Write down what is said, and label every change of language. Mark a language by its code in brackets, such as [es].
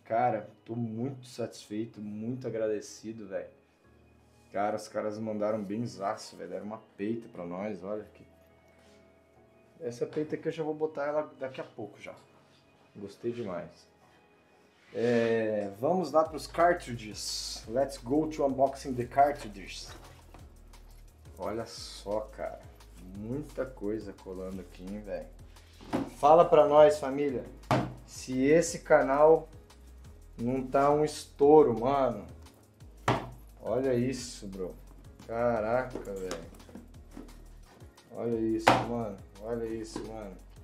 [pt] Cara, tô muito satisfeito, muito agradecido, velho. Cara, os caras mandaram bem zaço, velho. Deram uma peita pra nós, olha aqui. Essa peita aqui eu já vou botar ela daqui a pouco já. Gostei demais. É, vamos lá pros cartridges. [en] Let's go to unboxing the cartridges. [pt] Olha só, cara. Muita coisa colando aqui, hein, velho. Fala pra nós, família. Se esse canal não tá um estouro, mano. Olha isso, bro. Caraca, velho. Olha isso, mano. Olha isso, mano.